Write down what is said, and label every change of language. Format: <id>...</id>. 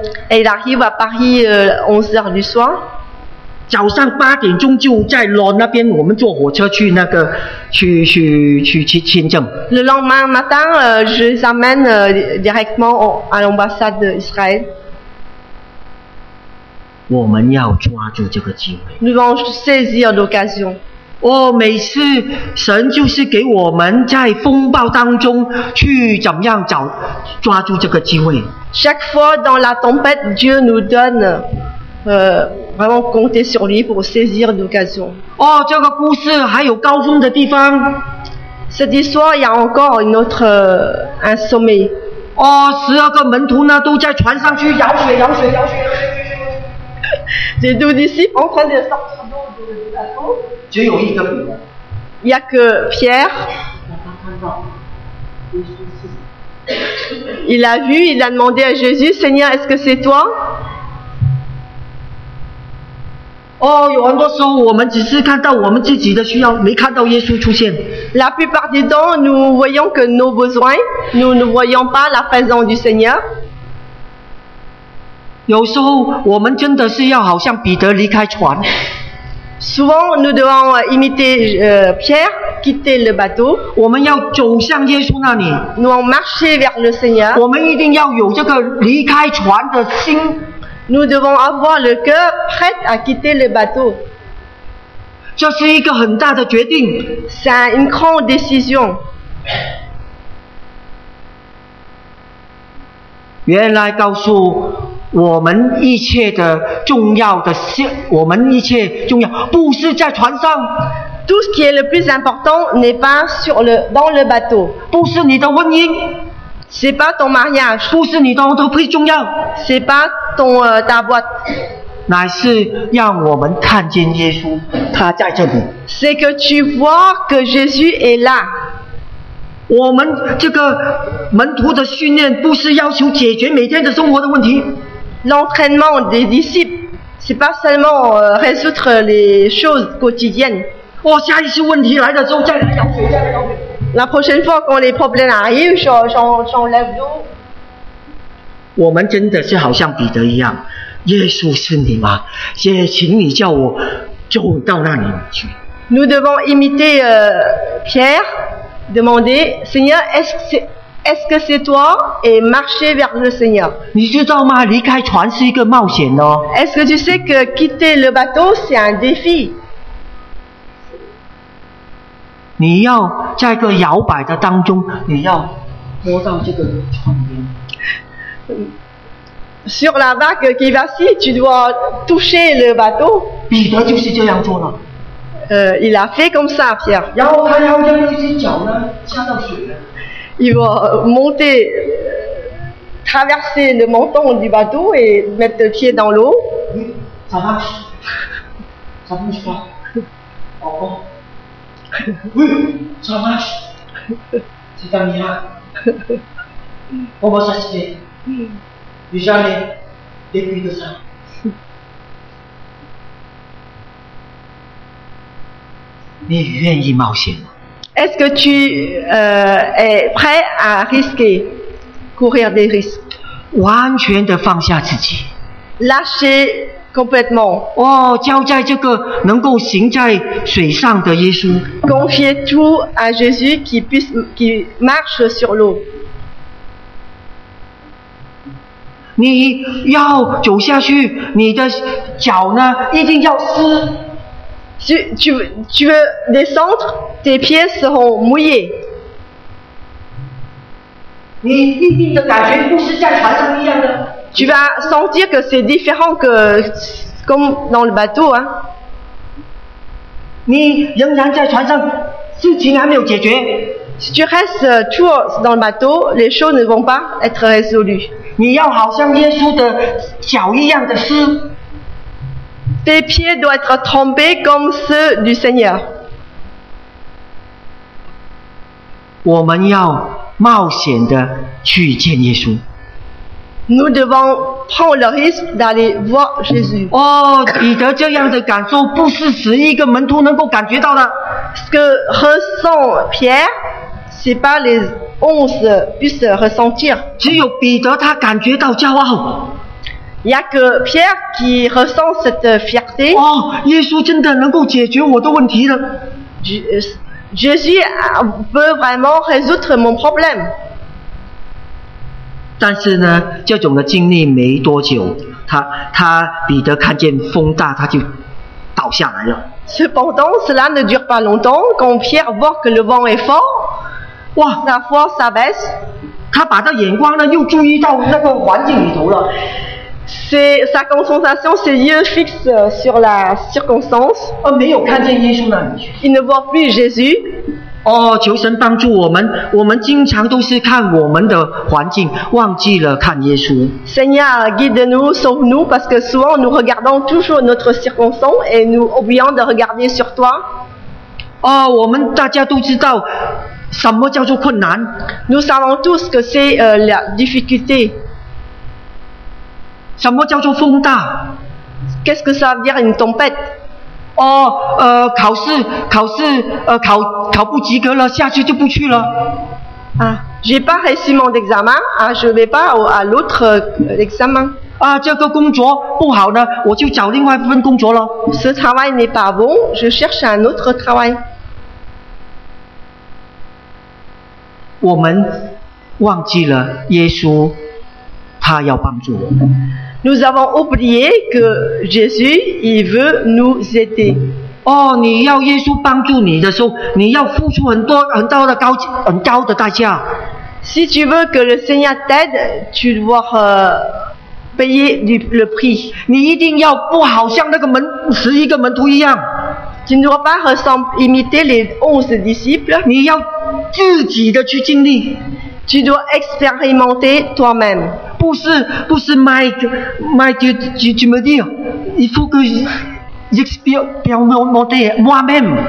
<fr>Et il arrive à Paris 11 heures du soir.</fr> <zh>早上八点钟就在罗那边，我们坐火车去那个去签证。</zh> <fr>Le lendemain matin, je les emmène directement à l'ambassade d'Israël.</fr> <zh>我们要抓住这个机会。</zh> <fr>Nous devons saisir l'occasion.</fr> <zh>哦，每次神就是给我们在风暴当中去怎么样抓住这个机会。</zh> <fr>Chaque fois dans la tempête, Dieu nous donne. Vraiment compter sur lui pour saisir l'occasion.</fr> <zh>Oh, 这个故事还有高峰的地方。</zh> <fr>Cette histoire, il y a encore une autre, un sommet.</fr> <zh>Oh, 十二个门徒呢都在船上去舀水，舀水，舀水。</zh> <fr>Les douze disciples en train de sortir de la</fr> <zh>tente. 只有一个。</zh> <fr>Il y a que Pierre. Il a vu, il a demandé à Jésus, Seigneur, est-ce que c'est toi?</fr> <zh>哦，有很多时候我们只是看到我们自己的需要，没看到耶稣出现。</zh> <fr>La plupart du temps, nous voyons que nos besoins, nous ne voyons pas la présence du Seigneur.</fr> <zh>有时候我们真的是要好像彼得离开船。</zh> <fr>Souvent, nous devons imiter Pierre, quitter le bateau.</fr> <zh>我们要走向耶稣那里。</zh> <fr>Nous allons marcher vers le Seigneur.</fr> <zh>我们一定要有这个离开船的心。</zh> <fr>Nous devons avoir le cœur prêt à quitter le bateau.</fr> <zh>这是一个很大的决定。</zh> <fr>C'est une grande décision.</fr> <zh>原来告诉我们一切的重要的，我们一切重要不是在船上。</zh> <fr>Tout ce qui est le plus important n'est pas sur le, dans le bateau.</fr> <zh>不是你的婚姻。</zh> <fr>C'est pas ton mariage.</fr> <zh>不是你的entreprise重要。</zh> <fr>C'est pas ton ta boîte.</fr> <zh>乃是让我们看见耶稣，他在这里。</zh> <fr>C'est que tu vois que Jésus est là.</fr> <zh>我们这个门徒的训练不是要求解决每天的生活的问题。</zh> <fr>L'entraînement des disciples, c'est pas seulement résoudre les choses quotidiennes.</fr> <zh>哦，下一次问题来的时候再来舀水，再来舀水。</zh> <fr>La prochaine fois, quand les problèmes arrivent, j'enlève l'eau.</fr> <zh>我们真的是好像彼得一样，耶稣是你吗？也请你叫我走到那里去。</zh> <fr>Nous devons imiter Pierre, demander Seigneur, est-ce que c'est toi et marcher vers le Seigneur.</fr> <zh>你知道吗？离开船是一个冒险哦。</zh> <fr>Est-ce que tu sais que quitter le bateau, c'est un défi?</fr> <zh>你要在一个摇摆的当中，你要摸到这个船边。</zh> <fr>Sur la vague qui vacille, tu dois toucher le bateau.</fr> <zh>彼得就是这样做了。</zh> <fr>Il a fait comme ça, Pierre.</fr> <zh>然后他要用一只脚呢，下到水了。</zh> <fr>Il va monter, traverser le menton du bateau et mettre le pied dans l'eau.</fr> <zh>咋办？咋办？宝宝。</zh> <fr>ça marche c'est un miracle comment ça se fait j'ai jamais vécu de ça tu</fr> <zh>愿意冒险吗</zh> <fr>est-ce que tu es prêt à risquer courir des risques</fr> <zh>完全的放下自己</zh> <fr>lâcher complètement</fr> <zh>哦，交在这个能够行在水上的耶稣。</zh> <fr>Confier tout à Jésus qui marche sur l'eau.</fr> <zh>你要走下去，你的脚呢一定要湿。</zh> <fr>Tu veux descendre, tes pieds seront mouillés.</fr> <zh>你一定的感觉不是在船上一样的。</zh> <fr>Tu vas sentir que c'est différent que comme dans le bateau, hein.</fr> <zh>你仍然在船上，事情还没有解决。</zh> <fr>Si tu restes toujours dans le bateau, les choses ne vont pas être résolues.</fr> <zh>你要好像耶稣的脚一样的湿。</zh> <fr>Tes pieds doivent être trempés comme ceux du Seigneur.</fr> <zh>我们要冒险的去见耶稣。</zh> <fr>Nous devons prendre le risque d'aller voir Jésus.</fr> <zh>Oh, 彼得这样的感受不是十一个门徒能够感觉到的。</zh> <fr>Ce que ressent Pierre, c'est pas les onze puissent ressentir.</fr> <zh>只有彼得他感觉到骄傲。</zh> <fr>Il n'y a que Pierre qui ressent cette fierté.</fr> <zh>Oh, Jésus, 真的能够解决我的问题了。</zh> <fr>Jésus peut vraiment résoudre mon problème.</fr> <zh>但是呢，这种的经历没多久，他彼得看见风大，他就倒下来了。</zh> <fr>Cependant, cela ne dure pas longtemps. Quand Pierre voit que le vent est fort, la foi s'abaisse.</fr> <zh>他把他眼光呢又注意到那个环境里头了。</zh> <fr>C'est sa concentration, ses yeux fixes sur la circonstance.</fr> <zh>Oh, 没有看见耶稣呢。</zh> <fr>Il ne voit plus Jésus.</fr> <zh>Oh, 求神帮助我们，我们经常都是看我们的环境，忘记了看耶稣。</zh> <fr>Seigneur, guide-nous, sauve-nous, parce que souvent nous regardons toujours notre circonstance et nous oublions de regarder sur toi.</fr> <zh>Oh, 我们大家都知道什么叫做困难。</zh> <fr>Nous savons tous que c'est la difficulté.</fr> <zh>什么叫做风大</zh> <fr>？Qu'est-ce que ça veut dire une tempête？</fr> <zh>哦，考试，考不及格了，下去就不去了。</zh> <fr>Ah, j'ai pas réussi mon examen. Ah, je vais pas à l'autre examen.</fr> <zh>啊，这个工作不好呢，我就找另外一份工作了。</zh> <fr>Ce travail n'est pas bon. Je cherche un autre travail.</fr> <zh>我们忘记了耶稣。他要帮助我们。</zh> <fr>Nous avons oublié que Jésus il veut nous aider.</fr> <zh>Oh, 你要耶稣帮助你的时候，你要付出很多很大的高很高的代价。</zh> <fr>Si tu veux que le Seigneur t'aide, tu dois payer le prix.</fr> <zh>你一定要不好像那个门十一个门徒一样。</zh> <fr>Tu ne dois pas ressembler imiter les onze disciples.</fr> <zh>你要自己的去经历。</zh> <fr>Tu dois expérimenter toi-même.</fr> <zh>不是</zh> <fr>Mike, tu me dis, il faut que j'expérimente moi-même.</fr>